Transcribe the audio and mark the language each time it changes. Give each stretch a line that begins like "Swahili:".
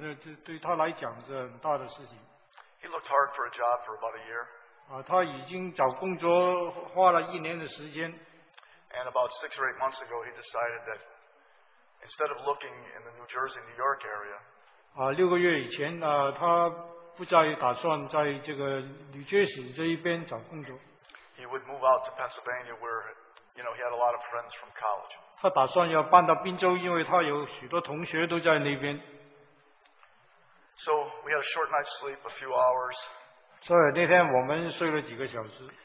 English: He looked hard for a job for about a year. And about 6 or 8 months ago, he decided that instead of looking in the New Jersey, New York area,
Chinese: 6个月以前，他不再打算在这个纽约市这一边找工作。
English: He would move out to Pennsylvania where, you know, he had a lot of friends from college.
Chinese: 他打算要搬到宾州，因为他有许多同学都在那边。
English: So we had a short night's sleep, a few hours.
Chinese: 所以那天我们睡了几个小时。